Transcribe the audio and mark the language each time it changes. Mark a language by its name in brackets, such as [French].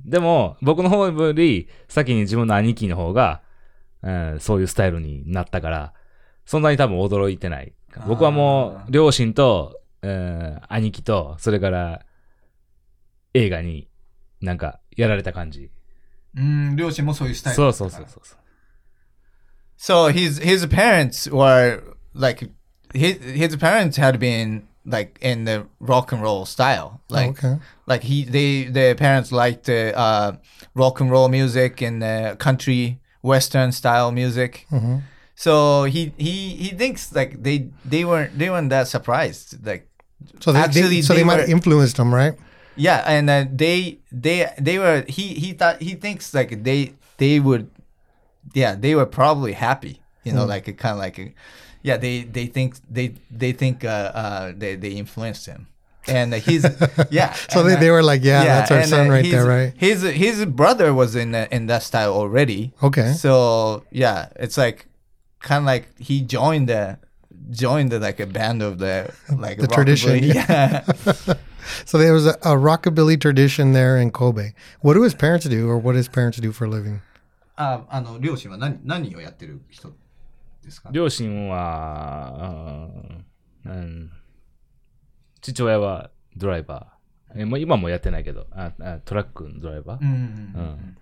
[Japanese] でも、僕の方より、先に自分の兄貴の方が、そういうスタイルになったから、そんなに多分驚いてない。僕はもう、両親と、兄貴と、それから、映画に、なんか、やられた感じ。両親もそういうスタイルだったから。そうそうそうそう。 [English] So his parents were like his parents had been like in the rock and roll style like okay. like their parents liked the rock and roll music and the country western style music. Mm-hmm. So he thinks like they weren't that surprised like so they, actually they, so they might have influenced them right. Yeah, and he thinks they would. Yeah, they were probably happy, you know, like kind of like, yeah, they think they influenced him, and he's yeah. So they were like, yeah, that's our son right there, right? His brother was in that style already. Okay. So yeah, it's like kind of like he joined the like a band of the like the tradition. Yeah. So there was a rockabilly tradition there in Kobe. What do his parents do, or what his parents do for a living? [Japanese] あの両親は 何をやってる人ですか？両親は、父親はドライバー。今もやってないけど、トラックのドライバー。